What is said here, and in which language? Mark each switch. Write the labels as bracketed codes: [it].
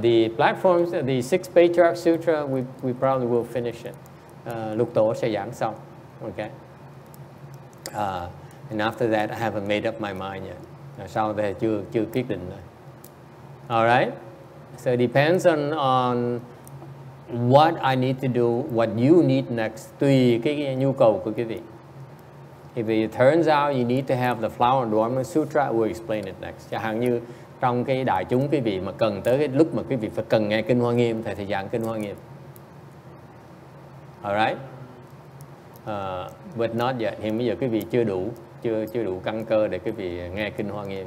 [en] The platforms, the Six Patriarch Sutra, we probably will finish it. [vi] Lục tổ sẽ giảng xong. [en] Okay. And after that, I haven't made up my mind yet. [vi] Sau đây chưa quyết định rồi. All right. [en] So it depends on what I need to do, what you need next, [vi] tùy cái nhu cầu của quý vị. [en] If it turns out you need to have the Flower Dormant Sutra, we'll explain it next. [vi] Chẳng hạn như trong cái đại chúng quý vị mà cần tới cái lúc mà quý vị phải cần nghe kinh Hoa Nghiêm, thầy giảng kinh Hoa Nghiêm. All right? [en] But not yet. [vi] Hiện bây giờ quý vị chưa đủ căn cơ để quý vị nghe kinh Hoa Nghiêm.